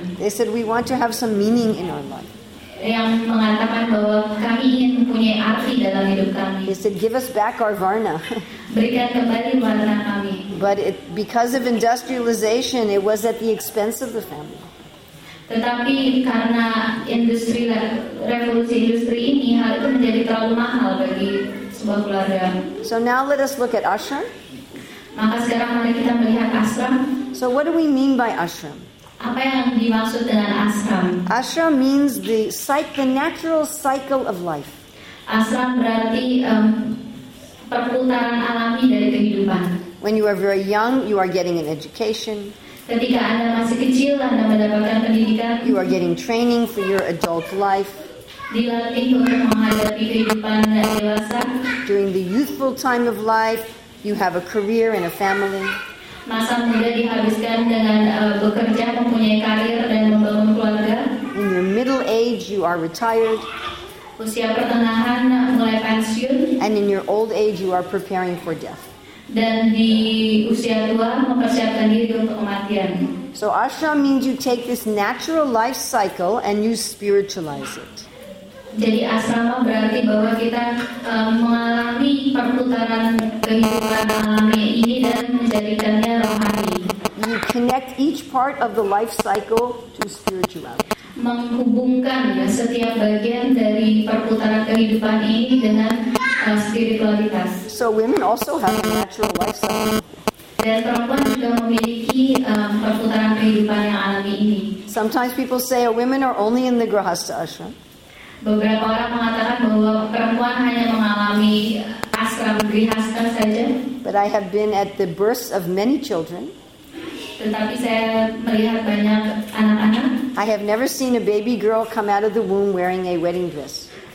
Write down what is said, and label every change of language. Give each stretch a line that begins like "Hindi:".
English: They said, "We want to have some meaning in our life."
Indonesian: Yang mengatakan bahwa kami ingin mempunyai arti dalam hidup kami.
English: They said, "Give us back our varna."
Indonesian: Berikan kembali warna kami.
English: But it, because of industrialization, it was at the expense of the family.
Indonesian: Tetapi karena industri revolusi industri ini, hal itu menjadi terlalu mahal bagi sebuah keluarga.
English: So now let us look at ashram.
Indonesian: Maka sekarang mari kita melihat ashram.
English: So what do we mean by ashram?
Indonesian: Apa yang dimaksud dengan ashram?
English: Ashram means the natural cycle of life.
Indonesian: Ashram berarti perputaran alami dari kehidupan.
English: When you are very young, you are getting an education.
Indonesian: Ketika Anda masih kecil, Anda mendapatkan pendidikan.
English: You are getting training for your adult life.
Indonesian: Dilatih untuk menghadapi kehidupan dewasa.
English: During the youthful time of life, you have a career and a family.
Indonesian: Masa muda dihabiskan dengan bekerja, mempunyai karir, dan membangun keluarga.
English: In your middle age, you are retired.
Indonesian: Usia pertengahan, mulai pensiun.
English: And in your old age, you are preparing for death.
Indonesian: Dan di usia tua mempersiapkan diri untuk kematian.
English: So ashram means you take this natural life cycle and you spiritualize it.
Indonesian: Jadi asrama berarti bahwa kita mengalami perputaran kehidupan alami ini dan menjadikannya rohani.
English: You connect each part of the life cycle to spirituality.
Indonesian: Menghubungkan setiap bagian dari perputaran kehidupan ini dengan spiritualitas.
English: So women also have a natural life cycle.
Indonesian: Dan perempuan juga memiliki perputaran kehidupan yang alami ini.
English: Sometimes people say, "Oh, women are only in the grahastha ashram."
Indonesian: Beberapa orang mengatakan bahwa perempuan hanya mengalami ashram grihastha saja.
English: But I have been at the births of many children.
Indonesian: Tetapi saya melihat banyak anak-anak.
English: I have never seen a baby girl come out of the womb wearing a wedding dress.